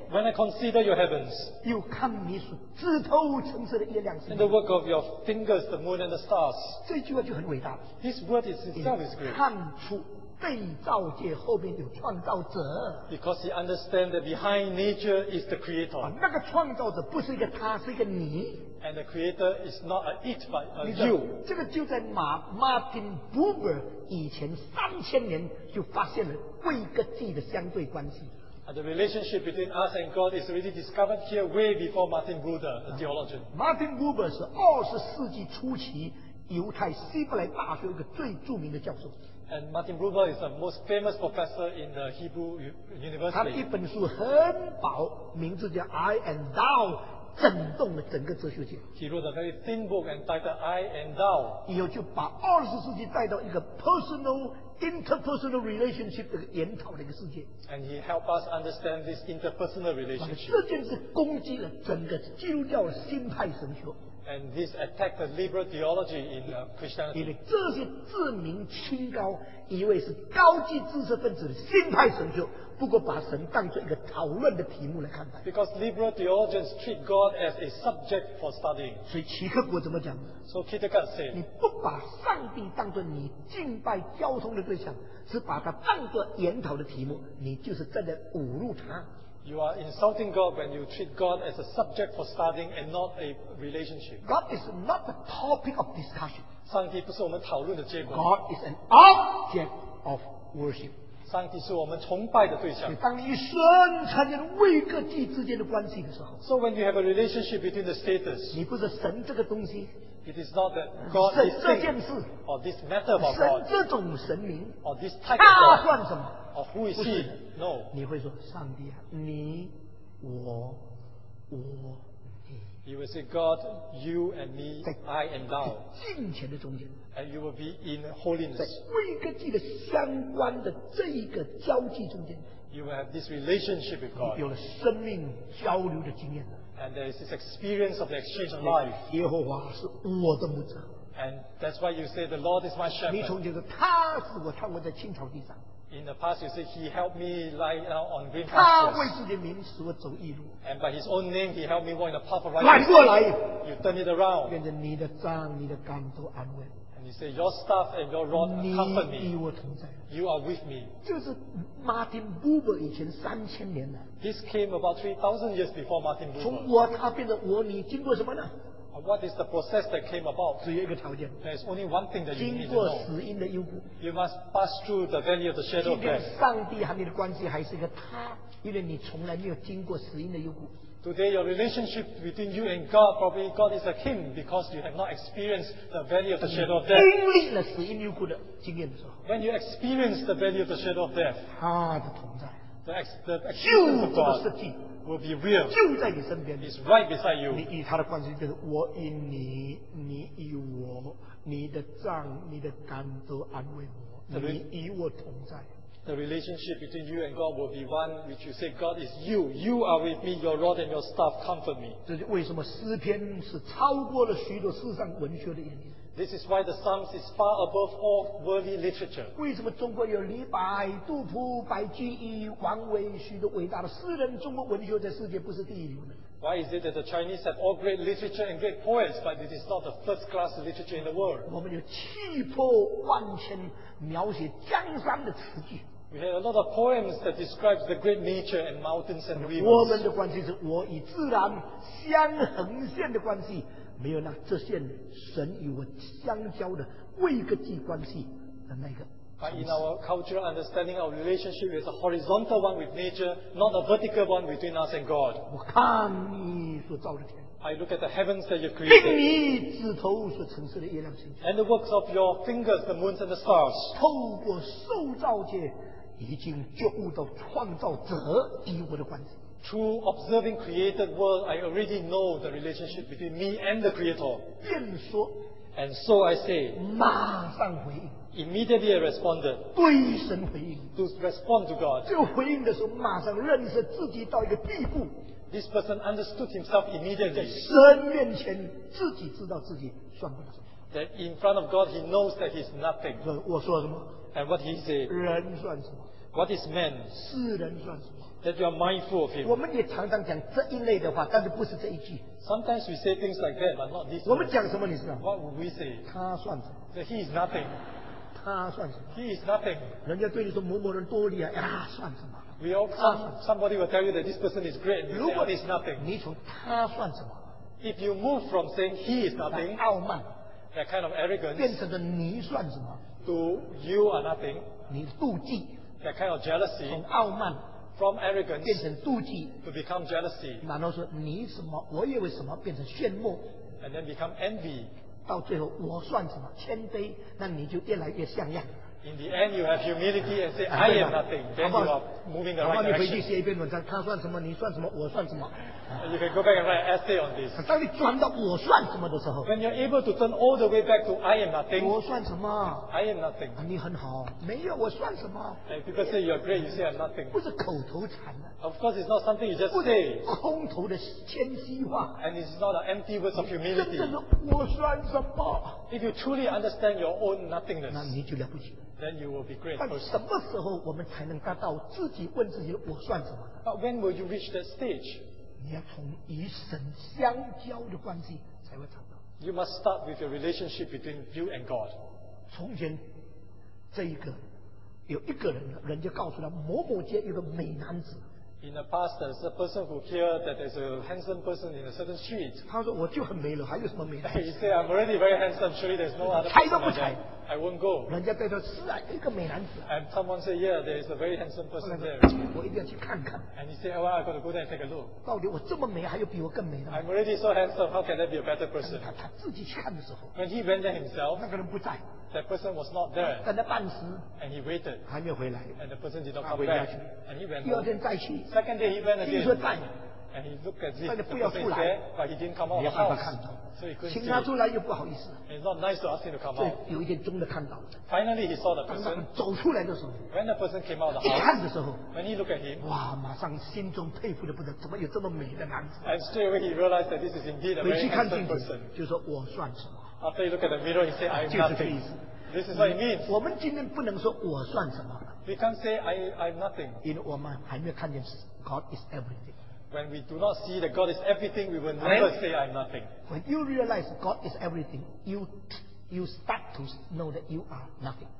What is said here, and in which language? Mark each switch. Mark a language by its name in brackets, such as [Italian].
[English] when I consider your heavens, [Chinese] 又看你所枝头橙色的月亮星, [English] and the work of your fingers, the moon and the stars, [Chinese] 这句话就很伟大了。 [English] This word itself is great. [Chinese] 看出,被造界后面有创造者。 [English] Because he understands that behind nature is the creator. [Chinese] 那个创造者不是一个他，是一个你。 [English] And the creator is not a it but a you. [Chinese] 这个就在Martin Buber 以前3000年就发现了位跟自的相对关系。 [English] And the relationship between us and God is already discovered here way before Martin Buber, the theologian. [Chinese] Martin Buber 是20世纪初期犹太希伯来大学一个最著名的教授。 [English] And Martin Buber is the most famous professor in the Hebrew University. [Chinese] 他的一本书很薄，名字叫 I and Thou， 震动了整个哲学界。 [English] He wrote a very thin book entitled I and Thou. [Chinese] 以后就把二十世纪带到一个 [English] personal interpersonal relationship [Chinese] 的研讨的一个世界。 [English] And he helped us understand this interpersonal relationship. [Chinese] 这件事攻击了整个基督教的新派神学。 [English] And this attacked the liberal theology in Christianity. [Chinese] 因为这些自命清高，以为是高级知识分子的新派神学，不过把神当作一个讨论的题目来看待。 [English] Because liberal theologians treat God as a subject for studying. [Chinese] 所以齐克果怎么讲？ [English] So Kierkegaard said, [Chinese] 你不把上帝当作你敬拜交通的对象，是把它当作研讨的题目，你就是站在侮辱他。 [English] You are insulting God when you treat God as a subject for studying and not a relationship. God is not the topic of discussion. [Chinese] 上帝不是我们讨论的结果。 [English] God is an object of worship. [Chinese] 上帝是我们崇拜的对象。当你与神产生位格地之间的关系的时候。 [English] So when you have a relationship between the status. [Chinese] 你不是神这个东西。 [English] It is not that God is this thing. Or this matter of God. [Chinese] 神这种神明。 [English] Or this type of God. [Chinese] 他算什么？ [English] Who is he? No. [Chinese] 你会说上帝啊，你我我你。 [English] You will say God, you and me, I and thou. [Chinese] 敬虔的中间。 [English] And you will be in holiness. [Chinese] 在归根记的相关的这一个交际中间。 [English] You will have this relationship with God. [Chinese] 有了生命交流的经验。 [English] And there is this experience of the exchange of life. [Chinese] 耶和华是我的牧者。 [English] And that's why you say the Lord is my shepherd. [Chinese] 你从前说他是我，他卧在青草地上。 [English] In the past, you say he helped me lie out on green pastures. And by his own name, he helped me walk in the path of righteousness. You turn it around. And you say your staff and your rod comfort me. You are with me. [Chinese] 就是 Martin Buber 以前三千年了。 [English] This came about 3,000 years before Martin Buber. [Chinese] 从我他变成我你，经过什么呢？ [English] What is the process that came about? [Chinese] 只有一个条件。 [English] There is only one thing that you need to know. [Chinese] 经过死荫的幽谷。 [English] You must pass through the valley of the shadow of death. [Chinese] 今天上帝和你的关系还是一个他，因为你从来没有经过死荫的幽谷。 [English] Today your relationship between you and God probably God is a him because you have not experienced the valley of the shadow of death. [Chinese] 经历了死荫幽谷的经验的时候。 [English] When you experience the valley of the shadow of death, [Chinese] 他的同在。 [English] The existence of God. [Chinese] 救的 [English] Will be real. [Chinese] 就在你身边。 [English] He's right beside you. [Chinese] 你与他的关系就是我与你，你与我，你的杖，你的竿都安慰我，你与我同在。 [English] The relationship between you and God will be one which you say God is you. You are with me. Your rod and your staff comfort me. [Chinese] 这是为什么诗篇是超过了许多世上文学的演绎。 [English] This is why the Psalms is far above all worldly literature. [Chinese] 为什么中国有李白、杜甫、白居易、王维许多伟大的诗人？中国文学在世界不是第一流的。 [English] Why is it that the Chinese have all great literature and great poets, but this is not the first class literature in the world? [Chinese] 我们有气魄万千描写江山的词句。 [English] We have a lot of poems that describe the great nature and mountains and rivers. [Chinese] 我们的关系是我与自然相横线的关系。没有那这些神与我相交的位格际关系的那个。 [English] But in our cultural understanding, our relationship is a horizontal one with nature, not a vertical one between us and God. [Chinese] 我看你所造的天。 [English] I look at the heavens that you created. [Chinese] 并你指头所陈设的月亮星。 [English] And the works of your fingers, the moons and the stars. [Chinese] 透过受造界，已经觉悟到创造者与我的关系。 [English] Through observing created world, I already know the relationship between me and the Creator. [Chinese] 便说, [English] and so I say, [Chinese] 马上回应, [English] immediately I responded, [Chinese] 对神回应, [English] to respond to God. [Chinese] 就回应的时候, 马上认识自己到一个地步, [English] this person understood himself immediately. [Chinese] 在神面前, 自己知道自己算不了什么, [English] that in front of God, he knows that he's nothing. [Chinese] 我说什么? [English] And what he said, [Chinese] 人算什么? [English] What is man? [Chinese] 世人算什么? [English] That you are mindful of him. [Chinese] 我们也常常讲这一类的话，但是不是这一句。 [English] Sometimes we say things like that, but not this. [Chinese] 我们讲什么？你知道？ [English] What would we say? [Chinese] 他算什么？ [English] That he is nothing. [Chinese] 他他算什么 [English] ？He is nothing。 [Chinese] 人家对你说某某人多厉害，他算什么 [English] ？We all come. Somebody will tell you that this person is great. And you say, he is nothing. [Chinese] 你从他算什么 [English] ？If you move from saying he is nothing, [Chinese] 傲慢 [English] ，that kind of arrogance， [Chinese] 变成了你算什么 [English] ？To you are nothing。 [Chinese] 你妒忌 [English] ，that kind of jealousy， [Chinese] 从傲慢。 [English] From arrogance [Chinese] 变成妒忌 [English] ，to become jealousy， [Chinese] 然后说你什么，我以为什么，变成炫目 [English] ，and then become envy， [Chinese] 到最后我算什么，谦卑，那你就越来越像样。 [English] In the end, you have humility and say, I am nothing. Then you are moving the right direction. [Chinese] 你回去写一篇文章，他算什么，你算什么，我算什么。 [English] You can go back and write an essay on this. [Chinese] 当你转到我算什么的时候 [English] ，When you're able to turn all the way back to I am nothing. [Chinese] 我算什么 [English] ？I am nothing. [Chinese] 你很好，没有我算什么 [English] ？And people say you're great, you say I'm nothing. [Chinese] 不是口头禅的。 [English] Of course, it's not something you just say. [Chinese] 空头的谦虚话。 [English] And it's not an empty words of humility. [Chinese] 真的，我算什么 [English] ？If you truly understand your own nothingness, [Chinese] 那你就了不起。 [English] Then you will be great. [Chinese] 但什么时候我们才能达到自己问自己我算什么 [English] ？But when will you reach that stage？ [Chinese] 你要从与神相交的关系才会找到。 [English] You must start with your relationship between you and God. [Chinese] 从前这一个有一个人，人家告诉他某某街有个美男子。 [English] In the past, there's a person who hear that there's a handsome person in a certain street. [Chinese] 他说我就很美了，还有什么美男子 [English] ？He said, I'm already very handsome. Surely there's no other. [Chinese] 猜都不猜。 [English] I won't go. [Chinese] 人家对他是啊，一个美男子。 [English] And someone say, yeah, there is a very handsome person there. [Chinese] 我一定要去看看。 [English] And he say, oh, well, I got to go there and take a look. [Chinese] 到底我这么美，还有比我更美的 [English] ？I'm already so handsome. How can there be a better person? [Chinese] 他自己去看的时候。 [English] When he went there himself, [Chinese] 那个人不在。 [English] That person was not there. [Chinese] 等了半时。 [English] And he waited. [Chinese] 还没回来。 [English] And the person did not come back. And he went. [Chinese] 第二天再去。 [English] Second day he went again. [Chinese] 听说在。 [English] And he looked at this. [Chinese] 但是不要出来。 [English] There, but he didn't come out of the house. [Chinese] 请他出来又不好意思。 [English] It's not nice to ask him to come out. [Chinese] 有一天终于看到。 [English] Finally he saw the person. [Chinese] 走出来的时候。 [English] When the person came out of the house. [Chinese] 一看的时候。 [English] When he looked at him. [Chinese] 哇，马上心中佩服的不得，怎么有这么美的男子 [English] ？And straight away he realized that this is indeed a very handsome person. [Chinese] 就说我算什么 [English] ？After he looked at the mirror, he said, "I'm nothing." [Chinese] 就是这意思。 [English] This is what it means. [Chinese] 我们今天不能说我算什么。 [English] We can't say I'm nothing. [Chinese] 因为我们还没有看见 [English] God is everything. When we do not see that God is everything, we will never say I'm nothing. When you realize God is everything, you start to know that you are nothing.